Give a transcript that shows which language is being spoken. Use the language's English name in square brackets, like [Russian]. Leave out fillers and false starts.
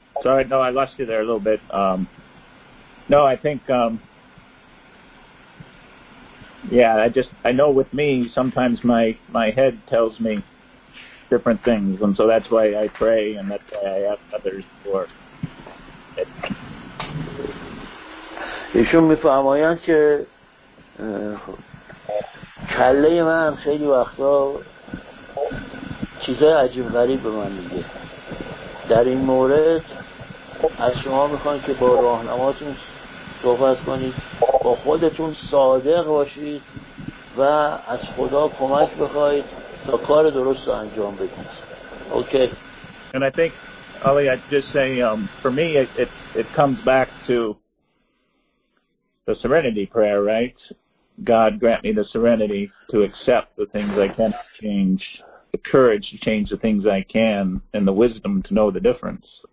[English] Sorry, no, I lost you there a little bit. No, I think, yeah, I know with me, sometimes my head tells me different things, and so that's why I pray, and that's why I ask others for it. [Persian] ایشون می فهمایند که کله من خیلی وقتا چیزای عجیب غریب به من میگه. در این مورد از شما میخوان که با راهنماتون صحبت کنید، با خودتون صادق باشید و از خدا کمک بخواید تا کار درست رو انجام بدید. [English] Okay. And I think, Ali, I'd just say, for me, it comes back to the serenity prayer, right? God grant me the serenity to accept the things I cannot change, the courage to change the things I can, and the wisdom to know the difference.